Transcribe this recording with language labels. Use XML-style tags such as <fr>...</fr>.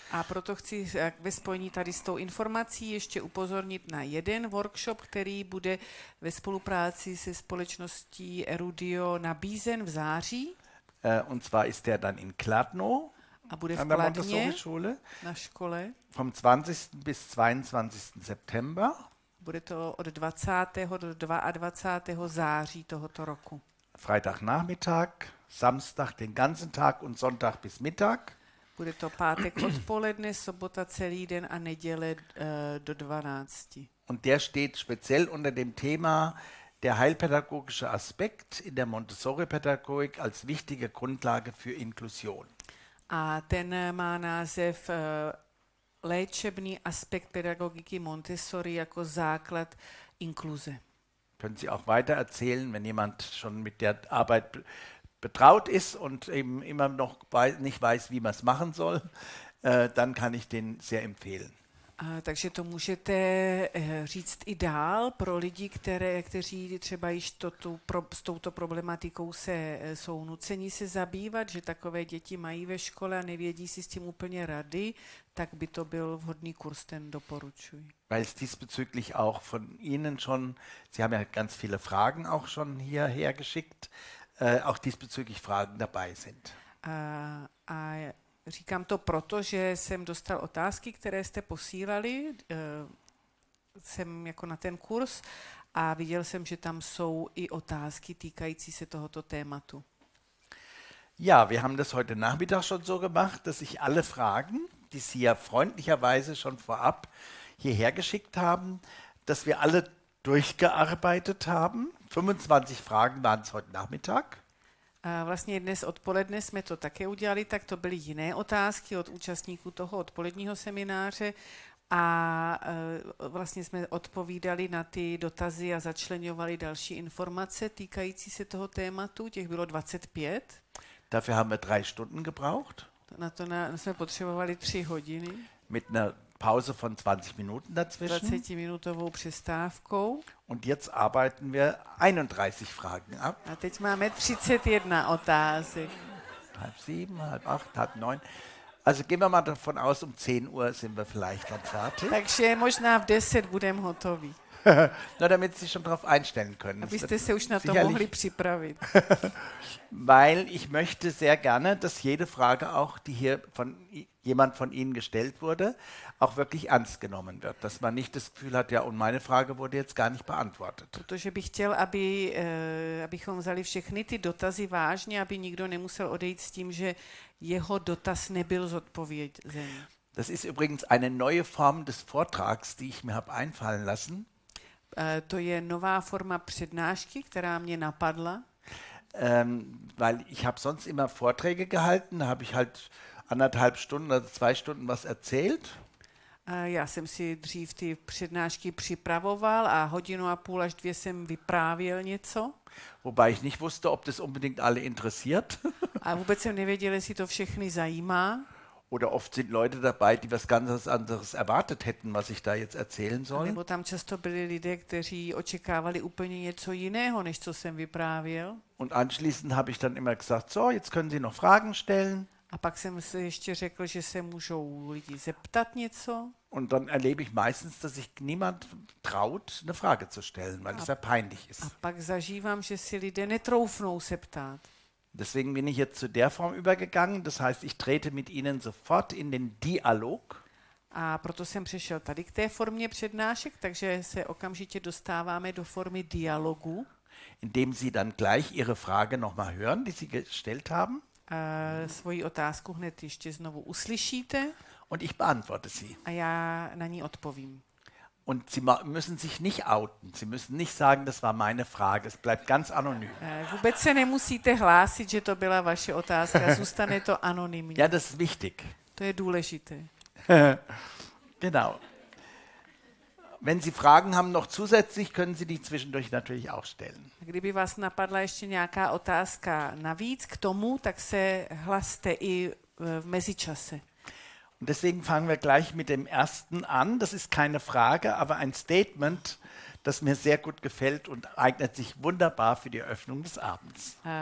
<cs>A proto chci ve spojení tady s tou informací ještě upozornit na jeden workshop, který bude ve spolupráci se společností Erudio nabízen v září.</cs> <de>Und zwar ist der dann in Kladno.</de> <cs>A bude v Kladně na škole.</cs> <de>Vom 20. bis 22. September.</de> <cs>Bude to od 20. do 22. září tohoto roku.</cs> <de>Freitag Nachmittag, Samstag den ganzen Tag und Sonntag bis Mittag.</de> <cs>Bude to pátek odpoledne, sobota celý den a neděle do 12.</cs> <de>Und der steht speziell unter dem Thema der heilpädagogische Aspekt in der Montessori-Pädagogik als wichtige Grundlage für Inklusion.</de> <cs>A ten má název Léčebný aspekt pedagogiky Montessori jako základ inkluze.</cs> <de>Können Sie auch weiter erzählen, wenn jemand schon mit der Arbeit betraut ist und eben immer noch nicht weiß, wie man es machen soll, dann kann ich den sehr empfehlen.</de> <cs>Takže to můžete říct i dál pro lidi, kteří třeba již s touto problematikou jsou nuceni se zabývat, že takové děti mají ve škole a nevědí si s tím úplně rady, tak by to byl vhodný kurz, ten doporučuji.</cs> <de>Weil es diesbezüglich auch von Ihnen schon, Sie haben ja ganz viele Fragen auch schon hierher geschickt, auch diesbezüglich Fragen dabei sind.</de> <cs>A říkám to proto, že jsem dostal otázky, které jste posílali, jsem jako na ten kurz a viděl jsem, že tam jsou i otázky týkající se tohoto tématu.</cs> <de>Ja, wir haben das heute Nachmittag schon so gemacht, dass ich alle Fragen, die Sie ja freundlicherweise schon vorab hierher geschickt haben, dass wir alle durchgearbeitet haben. 25 Fragen waren es heute Nachmittag.</de> <cs>Vlastně dnes odpoledne jsme to také udělali, tak to byly jiné otázky od účastníků toho odpoledního semináře a vlastně jsme odpovídali na ty dotazy a začleňovali další informace týkající se toho tématu, těch bylo 25.</cs> <de>Dafür haben wir 3 Stunden gebraucht.</de> <cs>Na to jsme potřebovali 3 hodiny.</cs> <de>Mit einer Pause von 20 Minuten dazwischen.</de> <cs>20-minutovou přestávkou.</cs> <de>Und jetzt arbeiten wir 31 Fragen ab.</de> <cs>A teď máme 31 otázek.</cs> <de>Halb 7, halb 8, halb 9. Also gehen wir mal davon aus, um 10 Uhr sind wir vielleicht dann fertig.</de> <cs>Takže možná v 10 budeme hotovi.</cs> <de>Na, damit Sie sich schon darauf einstellen können.</de> <cs>Abyste se už na to mohli připravit.</cs> <de>Weil ich möchte sehr gerne, dass jede Frage auch, die hier von jemand von Ihnen gestellt wurde, auch wirklich ernst genommen wird. Dass man nicht das Gefühl hat, ja, und meine Frage wurde jetzt gar nicht beantwortet.</de> <cs>Protože bych chtěl, abychom vzali všechny ty dotazy vážně, aby nikdo nemusel odejít s tím, že jeho dotaz nebyl zodpovězen.</cs> <de>Das ist übrigens eine neue Form des Vortrags, die ich mir habe einfallen lassen.</de> <cs>To je nová forma přednášky, která mě napadla.</cs> <de>Weil ich habe sonst immer Vorträge gehalten, habe ich halt anderthalb Stunden oder zwei Stunden was erzählt.</de> <cs>Já jsem si dřív ty přednášky připravoval a hodinu a půl až dvě jsem vyprávěl něco.</cs> <de>Wobei ich nicht wusste, ob das unbedingt alle interessiert.</de> <cs>A vůbec jsem nevěděl, jestli to všechny zajímá.</cs> <de>Oder oft sind Leute dabei, die was ganz anderes erwartet hätten, was ich da jetzt erzählen soll.</de> <cs>Nebo tam často byli lidé, kteří očekávali úplně něco jiného, než co jsem vyprávěl.</cs> <de>Und anschließend habe ich dann immer gesagt, so, jetzt können Sie noch Fragen stellen.</de> <cs>A pak jsem se ještě řekl, že se můžou lidi zeptat něco.</cs> <de>Und dann erlebe ich meistens, dass sich niemand traut, eine Frage zu stellen, weil es ja peinlich ist.</de> <cs>A pak zažívám, že si lidé netroufnou se ptát.</cs> <de>Deswegen bin ich jetzt zu der Form übergegangen, das heißt, ich trete mit Ihnen sofort in den Dialog.</de> <cs>A proto jsem přišel tady k té formě přednášek, takže se okamžitě dostáváme do formy dialogu.</cs> <de>Indem Sie dann gleich Ihre Frage nochmal hören, die Sie gestellt haben.</de> <cs>Svoji otázku hned ještě znovu uslyšíte.</cs> <de>Und ich beantworte sie.</de> <cs>A já na ní odpovím.</cs> <de>Und Sie müssen sich nicht outen. Sie müssen nicht sagen, das war meine Frage. Es bleibt ganz anonym.</de> <cs>Vůbec se nemusíte hlásit, že to byla vaše otázka. Zůstane to anonymní.</cs> <de>Ja, das ist wichtig.</de> <cs>To je důležité.</cs> <de>Genau. Wenn Sie Fragen haben noch zusätzlich, können Sie die zwischendurch natürlich auch stellen.</de> <cs>Kdyby vás napadla ještě nějaká otázka navíc k tomu, tak se hlaste i v mezičase.</cs> <de>Und deswegen fangen wir gleich mit dem ersten an. Das ist keine Frage, aber ein Statement, das mir sehr gut gefällt und eignet sich wunderbar für die Eröffnung des Abends.</de>